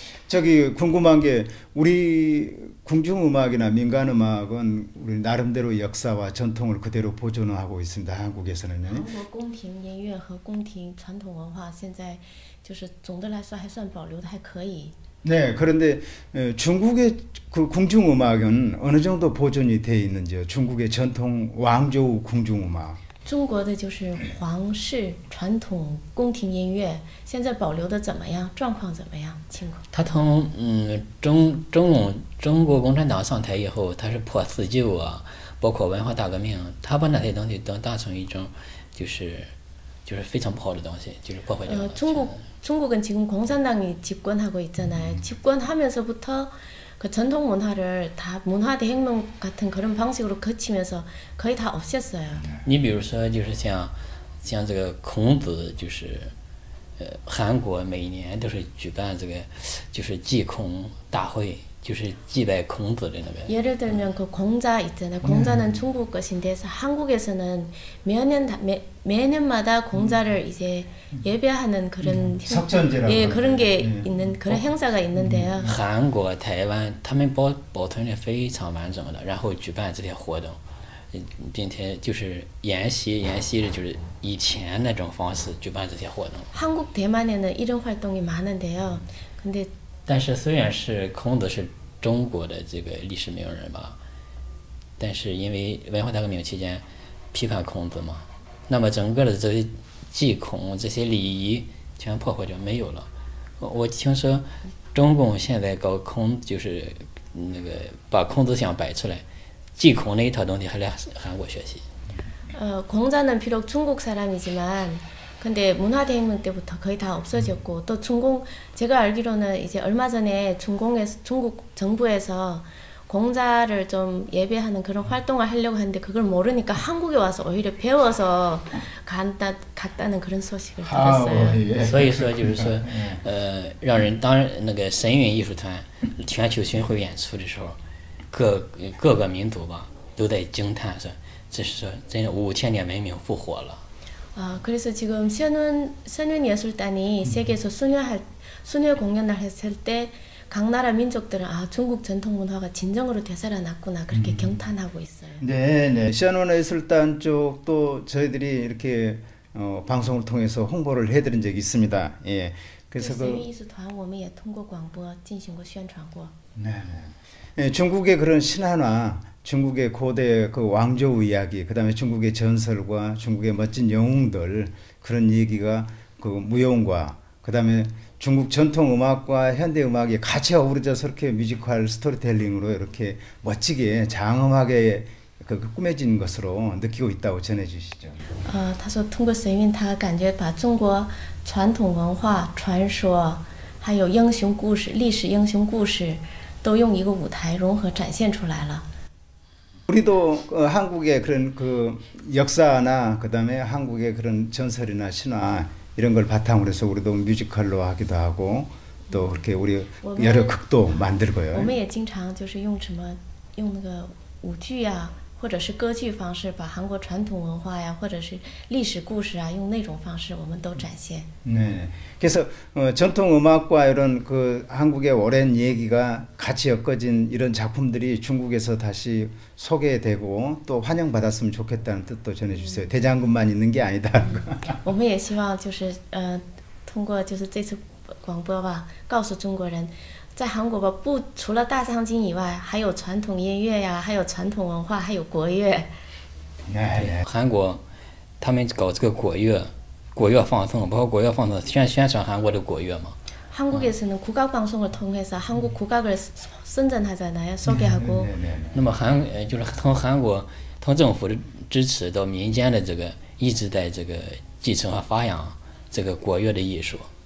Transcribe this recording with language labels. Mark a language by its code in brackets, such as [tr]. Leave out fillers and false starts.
[ko] 저기 궁금한 게 우리 궁중음악이나 민간음악은 우리 나름대로 역사와 전통을 그대로 보존하고 있습니다. 한국에서는. [zh] 한국 宫廷音乐和宫廷传统文化现在就是总的来说还算保留的还可以。 [ko] 네, 그런데 중국의 그 궁중음악은 어느 정도 보존이 되어 있는지요? 중국의 전통 왕조 궁중음악. [zh] 中国的就是皇室传统宫廷音乐，现在保留的怎么样？状况怎么样？情况？他从中国共产党上台以后，他是破四旧啊，包括文化大革命，他把那些东西都当成一种，就是非常不好的东西，就是破坏掉了。 [ko] 중국은 지금 공산당이 집권하고 있잖아요. 집권하면서부터 그 전통 문화를 다 문화대혁명 같은 그런 방식으로 거치면서 거의 다 없앴어요. [zh] 你比如说，就是像这个孔子，就是韩国每年都是举办这个，就是祭孔大会，就是祭拜孔子的那个。 [ko] 예를 들면 그 공자 있잖아요. 공자는 중국 것인데 한국에서는 매년마다 공자를 이제 예배하는 그런 석전제라고 그런 게 있는 그런 행사가 있는데요. [zh] 한국, 台湾, 他们保存的非常完整的，然后举办这些活动，并且就是沿袭的，就是以前那种方式举办这些活动。 [ko] 한국 대만에는 이런 활동이 많은데요. 근데 [zh] 但是虽然是孔子是中国的这个历史名人吧，但是因为文化大革命期间批判孔子嘛，那么整个的这些祭孔这些礼仪全破坏掉没有了。我听说中共现在搞孔，就是那个把孔子像摆出来，祭孔那一套东西还来韩国学习。 [ko] 공자는 비록 중국 사람이지만 근데 문화대혁명 때부터 거의 다 없어졌고 또 제가 알기로는 이제 얼마 전에 중국 정부에서 공자를 좀 예배하는 그런 활동을 하려고 하는데 그걸 모르니까 한국에 와서 오히려 배워서 갔다는 그런 소식을 들었어요. [zh] 所以说就是说，让人当那个神韵艺术团全球巡回演出的时候，各个民族吧都在惊叹说，这是说真的5000年文明复活了。 [ko] 아, 그래서 지금 선윤예술단이 세계에서 수녀 공연을 했을 때각 나라 민족들은 아, 중국 전통 문화가 진정으로 되살아났구나 그렇게 경탄하고 있어요. 네. 션원예술단 쪽도 저희들이 이렇게 방송을 통해서 홍보를 해드린 적이 있습니다. 예. 그래서 그 [zh] 我们也通过广播进行过宣传过。 [ko] 네. 중국의 그런 신화나 중국의 고대 그 왕조 이야기, 그다음에 중국의 전설과 중국의 멋진 영웅들 그런 얘기가 그 무용과 그다음에 중국 전통 음악과 현대 음악이 같이 어우러져서 이렇게 뮤지컬 스토리텔링으로 이렇게 멋지게 장엄하게 그 꾸며진 것으로 느끼고 있다고 전해주시죠. [zh] 他说通过声音，他感觉把中国传统文化、传说，还有英雄故事、历史英雄故事，都用一个舞台融合展现出来了。 [ko] 우리도 한국의 그런 그 역사나 그다음에 한국의 그런 전설이나 신화 이런 걸 바탕으로 해서 우리도 뮤지컬로 하기도 하고 또 그렇게 우리 여러 극도 만들고요. [zh] 我们也经常就是用什么用那个舞剧呀，或者是歌剧方式，把韩国传统文化呀，或者是历史故事啊，用那种方式，我们都展现。 [ko] 네. 그래서 전통 음악과 이런 그 한국의 오랜 얘기가 같이 엮어진 이런 작품들이 중국에서 다시 소개되고 또 환영받았으면 좋겠다는 뜻도 전해주세요. 대장군만 있는 게 아니다. [zh] 我们也希望就是通过就是这次广播吧，告诉中国人，在韩国吧，除了大藏经以外，还有传统音乐呀，还有传统文化，还有国乐。哎呀，韩国，他们搞这个国乐。国乐放送，包括国乐放送，宣传韩国的国乐嘛。 [ko] 한국에서는 국악 방송을 통해서 한국 국악을 선전하잖아요. 소개하고. [zh] 那么就是从韩国，从政府的支持到民间的这个，一直在这个继承和发扬这个国乐的艺术。